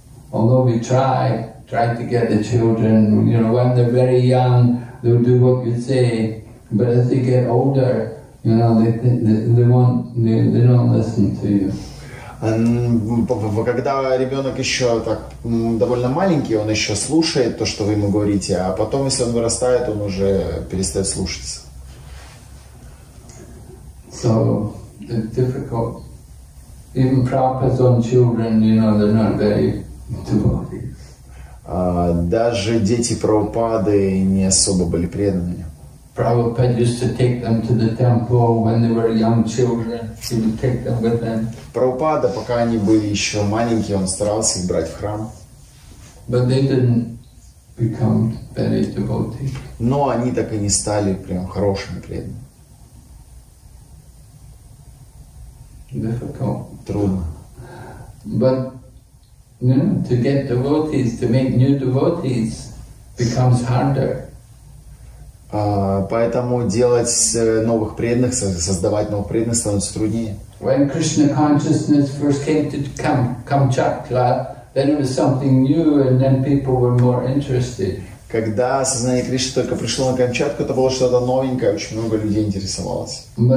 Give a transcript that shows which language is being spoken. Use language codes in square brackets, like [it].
[en] Although we try to get the children, you know, when they're very young, they'll do what you say. But as they get older, you know, they don't listen to you. [ru] Когда ребенок еще так довольно маленький, он еще слушает то, что вы ему говорите, а потом, если он вырастает, он уже перестает слушаться. [en] So it's difficult. Even Prabhupada's own children, you know, they're not very devotees. [ru] Даже дети Прабхупады не особо были преданными. [en] Prabhupada used to take them to the temple when they were young children. He would take them with him. [ru] Прабхупада, пока они были еще маленькие, он старался их брать в храм. [en] But they didn't become very devotees. [ru] Но они так и не стали прям хорошими преданными. [en] Difficult. [ru] Трудно. [en] But you know, to get devotees, to make new devotees, becomes harder. [ru] Поэтому делать новых преданных, создавать новых преданных становится труднее. [en] When Krishna consciousness first came to Kamchatka, then it was something new, and then people were more interested. [ru] Когда сознание Кришны только пришло на Камчатку, это было что-то новенькое, очень много людей интересовалось.